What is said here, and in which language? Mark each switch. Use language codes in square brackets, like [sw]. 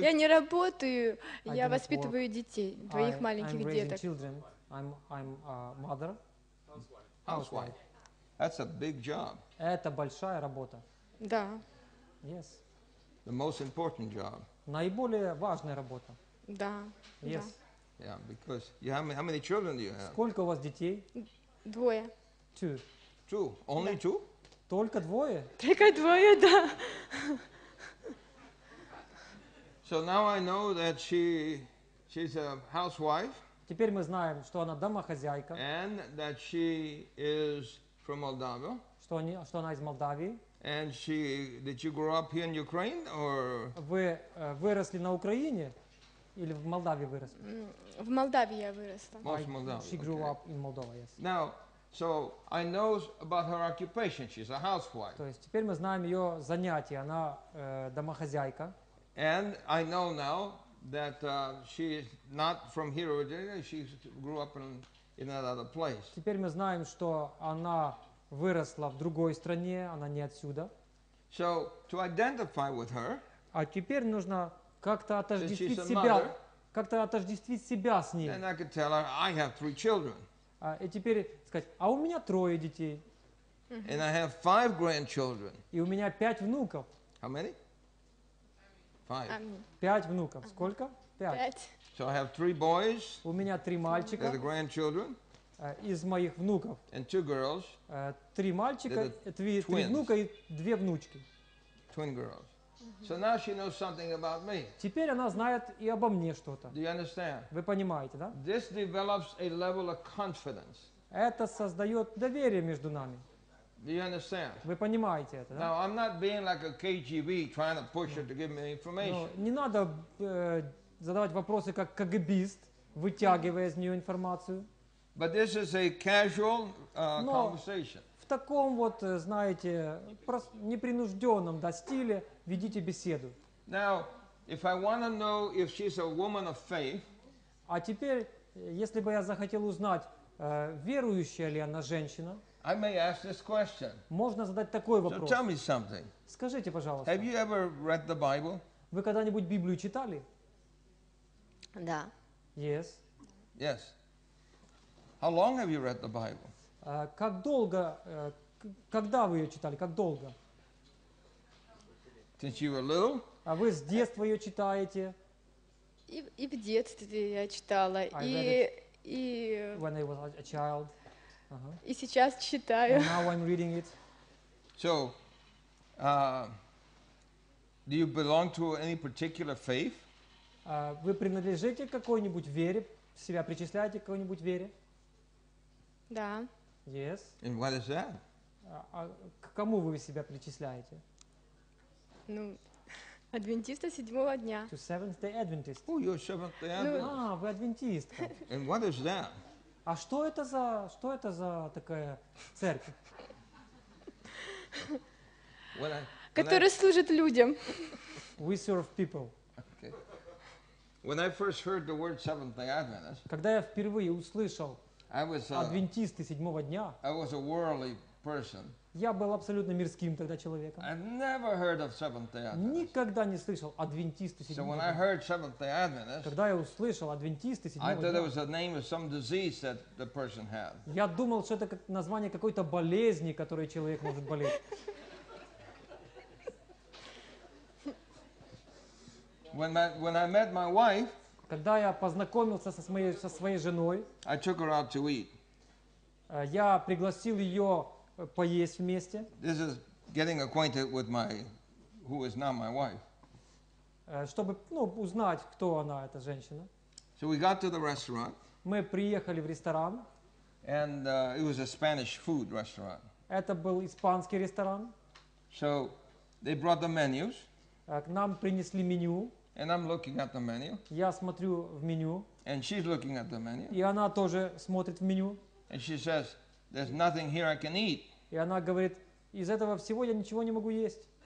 [ru] Я не работаю, я воспитываю детей, двоих маленьких деток. [en] Children. I'm mother. Housewife. That's a big job. [ru] Это большая работа. Да. [en] Yes. The most important job. [ru] Наиболее важная работа. Да. [en] Yes. Yeah, because you have how many children do you have? [ru] Сколько у вас детей? Двое. [en] Two. Two. Only two? [ru] Только двое? Только двое, да. [en] So now I know that she's a housewife. [ru] Теперь мы знаем, что она домохозяйка. [en] And that she is from Moldova. [ru] Что она из Молдавии. [en] And she did you grow up here in Ukraine or? [ru] Вы выросли на Украине или в Молдавии выросли? В Молдавии я выросла. [en] Most Moldova. She grew up in Moldova, yes. Now, so I know about her occupation. She's a housewife. [ru] То есть теперь мы знаем ее занятия. Она домохозяйка. [en] And I know now that she is not from here originally. She grew up in another place. [ru] Теперь мы знаем, что она выросла в другой стране, она не отсюда. [en] So to identify with her. [ru] А теперь нужно как-то отождествить себя, как-то отождествить себя с ней. [en] And I could tell her I have three children. [ru] И теперь сказать, а у меня трое детей. [en] And I have five grandchildren. [ru] И у меня пять внуков. [en] How many? Five. [ru] Пять внуков. Сколько? Пять. [en] So I have three boys. [ru] У меня три мальчика. [en] They're the grandchildren. [ru] Из моих внуков. [en] And two girls. [ru] Три мальчика, три внука и две внучки. [en] Twin girls. So now she knows something about me. [ru] Теперь она знает и обо мне что-то. [en] Do you understand? [ru] Вы понимаете, да? [en] This develops a level of confidence. [ru] Это создает доверие между нами. [en] Do you understand? [ru] Вы понимаете это, да? [en] Now I'm not being like a KGB trying to push her to give me information. [ru] Не надо задавать вопросы как КГБист, вытягивая из нее информацию. [en] But this is a casual conversation. [ru] В таком вот, знаете, непринужденном стиле ведите беседу. [en] Now, if I want to know if she's a woman of faith. [ru] А теперь, если бы я захотел узнать, верующая ли она женщина? [en] I may ask this question. [ru] Можно задать такой вопрос. [en] So tell me something. [ru] Скажите, пожалуйста. [en] Have you ever read the Bible? [ru] Вы когда-нибудь Библию читали? Да. [en] Yes. Yes. How long have you read the Bible? [ru] Как долго, когда вы ее читали? Как долго? [en] Since you were little? [ru] А вы с детства ее читаете? И в детстве я читала. [en] I read it when I was a child. [ru] И сейчас читаю. [en] And now I'm reading it. So, do you belong to any particular faith? [ru] Вы принадлежите к какой-нибудь вере? Себя причисляете к какой-нибудь вере? Да. [en] Yes. And what is that? [ru] К кому вы себя причисляете? Ну, адвентиста седьмого дня. [en] To Seventh-day Adventist. Oh, you're Seventh-day Adventist. [ru] Вы адвентистка. [en] And what is that? [ru] А что это за такая церковь? Которая служит людям. [en] We serve people. Okay. When I first heard the word Seventh-day Adventist. [ru] Когда я впервые услышал адвентисты седьмого дня. [en] I was a worldly person. [ru] Я был абсолютно мирским тогда человеком. [en] I never heard of Seventh-day Adventist. [ru] Никогда не слышал адвентисты седьмого дня. [en] So when I heard Seventh-day Adventist, [ru] когда я услышал адвентисты седьмого дня, [en] I thought it was the name of some disease that the person had. [ru] Я думал, что это как название какой-то болезни, которой человек может болеть. [en] When I met my wife. [ru] Когда я познакомился со своей женой, [en] I took her out to eat. [ru] Я пригласил ее поесть вместе. [en] This is getting acquainted with my, who is now my wife. [ru] Чтобы, ну, узнать, кто она, эта женщина. [en] So we got to the restaurant. [ru] Мы приехали в ресторан. [en] And it was a Spanish food restaurant. [ru] Это был испанский ресторан. [en] So they brought the menus. [ru] К нам принесли меню. [en] And I'm looking at the menu. [ru] Я смотрю в меню. [en] And she's looking at the menu. [ru] И она тоже смотрит в меню. [en] And she says, "There's nothing here I can eat." [ru] И она говорит, из этого всего я ничего не могу есть.